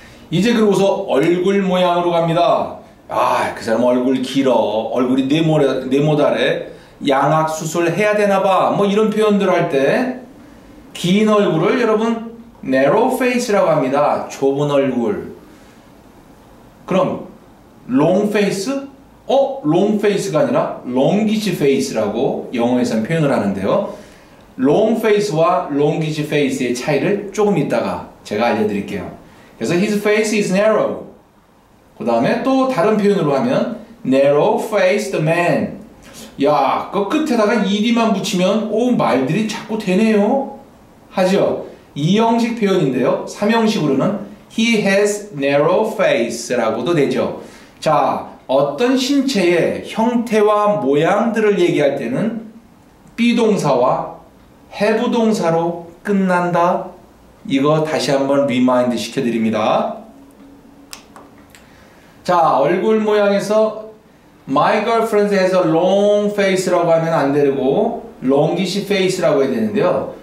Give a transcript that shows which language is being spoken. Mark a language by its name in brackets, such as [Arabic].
[Korean] 이제 그러고서 얼굴 모양으로 갑니다. 아, 그 사람 얼굴 길어. 얼굴이 네모다래. 양악 수술 해야 되나 봐. 뭐 이런 표현들 할 때 긴 얼굴을 여러분 narrow face라고 합니다. 좁은 얼굴. 그럼 long face? 롱 페이스가 아니라 롱기지 페이스라고 영어에서는 표현을 하는데요. 롱 페이스와 롱기지 페이스의 차이를 조금 이따가 제가 알려드릴게요. 그래서 [English] his face is narrow. [Korean] 그 다음에 또 다른 표현으로 하면 narrow faced man. 야, 그 끝에다가 ED만 붙이면 오, 말들이 자꾸 되네요. 하죠. 2형식 표현인데요. 3형식으로는 [English] he has narrow face라고도 [Korean] 되죠. 자, 어떤 신체의 형태와 모양들을 얘기할 때는 be동사와 have동사로 끝난다. 이거 다시 한번 리마인드 시켜드립니다. 자, 얼굴 모양에서 my girlfriend 해서 long face라고 하면 안 되고 longish face라고 해야 되는데요.